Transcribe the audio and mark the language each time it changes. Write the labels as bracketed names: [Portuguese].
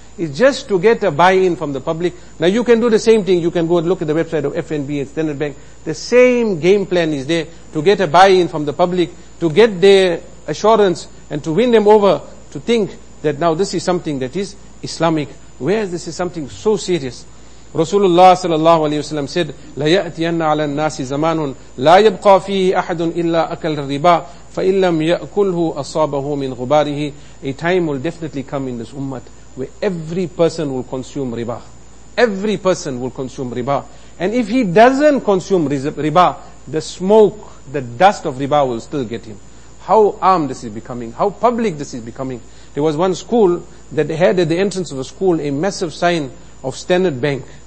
[English] It's just to get a buy-in from the public. Now you can do the same thing, you can go and look at the website of FNB and Standard Bank. The same game plan is there to get a buy-in from the public, to get their assurance and to win them over to think that now this is something that is Islamic. Whereas this is something so serious. Rasulullah sallallahu alayhi wa sallam said, [Arabic] لَيَأْتِيَنَّ عَلَى النَّاسِ زَمَانٌ لَا يَبْقَى فِيهِ أَحَدٌ إِلَّا أَكَلْ الرِّبَى فَإِلَّمْ يَأْكُلْهُ أَصَابَهُ مِنْ غُبَارِهِ. [English] A time will definitely come in this ummah where every person will consume riba. Every person will consume riba. And if he doesn't consume riba, the smoke, the dust of riba will still get him. How armed this is becoming, how public this is becoming. There was one school that had at the entrance of the school a massive sign of Standard Bank.